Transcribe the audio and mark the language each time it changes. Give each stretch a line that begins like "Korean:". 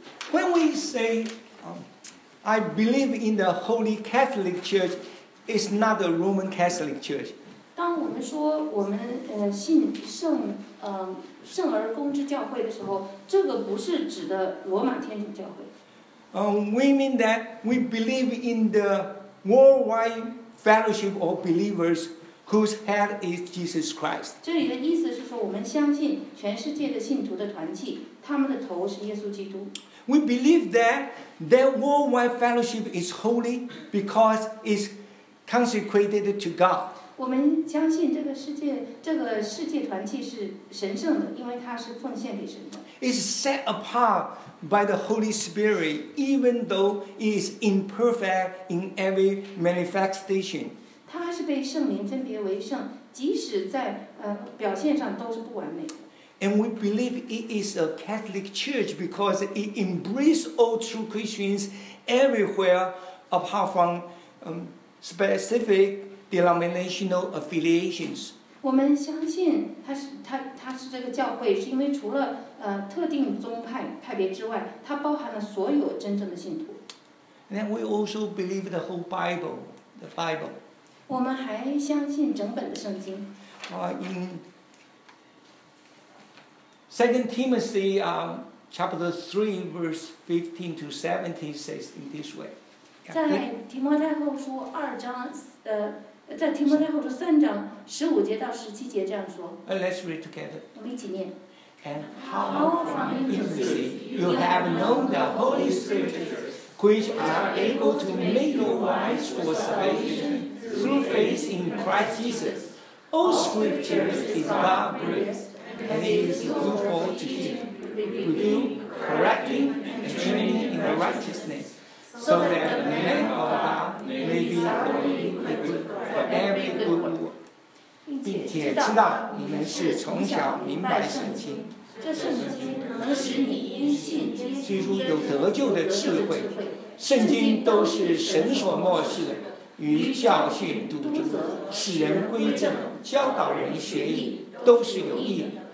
English: When we say, I believe in the Holy Catholic Church, it's not the Roman Catholic Church.
Chinese: 当我们说我们信圣圣而公之教会的时候，这个不是指的罗马天主教会。
English: We mean that we believe in the worldwide fellowship of believers whose head is Jesus Christ.
Chinese: 这里的意思是说，我们相信全世界的信徒的团契，他们的头是耶稣基督。
English: We believe that their worldwide fellowship is holy because it's consecrated to God.
Chinese: 我们相信这个世界，这个世界团契是神圣的，因为它是奉献给神的。
English: It's set apart by the Holy Spirit, even though it is imperfect in every manifestation.
Chinese: 它是被圣灵分别为圣，即使在表现上都是不完美的。
English: And we believe it is a Catholic Church because it embraces all true Christians everywhere apart from specific denominational affiliations.
Chinese: 我们相信它是这个教会，是因为除了特定宗派派别之外，它包含了所有真正的信徒。
English: And then we also believe the whole Bible, the Bible.
Chinese: 我们还相信整本的圣经。
English: In 2 Timothy chapter 3 verse 15 to 17 says in this way.
Chinese: 在提摩太后书三章十五节到十七节这样说。
English: Let's read together.
Chinese: 我们一起念。
English: And how from infancy you have known the Holy Scriptures, which are able to make you wise for salvation through faith in Christ Jesus. All Scriptures is God breathed. And it is useful to teach, review, correcting, and training in the righteousness, so that the man of God may be thoroughly equipped for every good work.
Chinese: 并且知道你们是从小明白圣经，这圣经能使你因信基督有得救的智慧。圣经都是神所默示的，与教训、督责、使人归正、教导人学义，都是有益的。